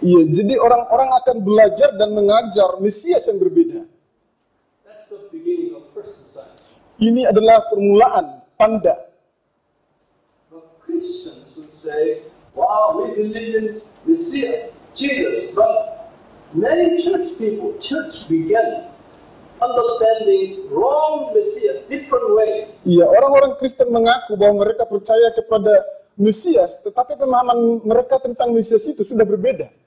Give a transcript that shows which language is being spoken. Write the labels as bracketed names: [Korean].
[Indonesian] Iya, jadi orang-orang akan belajar dan mengajar Mesias yang berbeda. [English] That's the beginning of first sign. [Indonesian] Ini adalah permulaan tanda. [English] The Christians would say, "Wow, we believe in Mesias, Jesus, but." Many church people, church began understanding wrong Messiah, different way. [Indonesian] Iya, orang-orang Kristen mengaku bahwa mereka percaya kepada Mesias, tetapi pemahaman mereka tentang Mesias itu sudah berbeda.